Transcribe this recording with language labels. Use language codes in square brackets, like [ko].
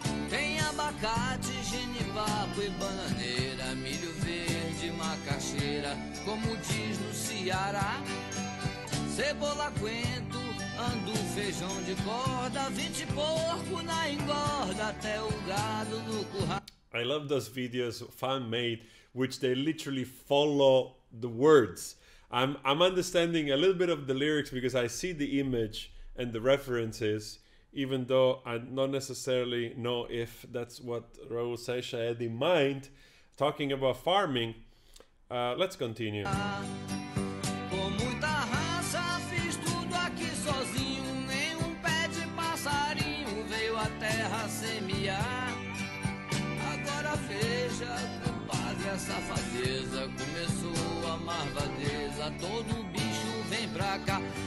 [pt] Tem abacate, genipapo e bananeira, milho verde, macaxeira, como diz no Ceará. Cebola, coentro, andu, feijão de corda, 20 porco na engorda, até o gado no curral. [en] I love those videos fan made, which they literally follow the words. I'm understanding a little bit of the lyrics because I see the image and the references, even though I don't necessarily know if that's what Raul Seixas had in mind, talking about farming. Let's continue. [pt] Com muita raça, fiz tudo aqui sozinho, nenhum pé de passarinho veio a terra semear. Agora veja, compadre, a safadeza começou, a marvadeza, todo bicho vem pra cá.